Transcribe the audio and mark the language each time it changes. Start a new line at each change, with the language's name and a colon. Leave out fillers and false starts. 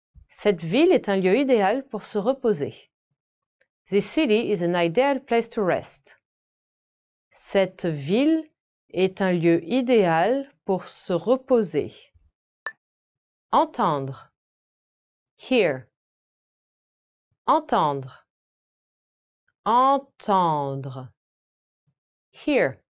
French: Cette ville est un lieu idéal pour se reposer.
English: This city is an ideal place to rest.
French: Cette ville est un lieu idéal pour se reposer. Entendre. Hear. Entendre. Entendre. Hear.